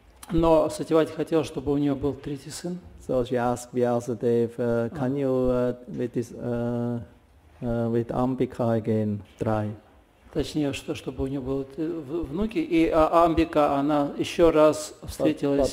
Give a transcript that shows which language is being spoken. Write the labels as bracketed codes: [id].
[ru] Но Сатьявати хотела, чтобы у нее был третий сын. [en] So she asked Vyasadev, can you with Ambika again try? [ru] Точнее, чтобы у нее было внуки. И Амбика, она еще раз встретилась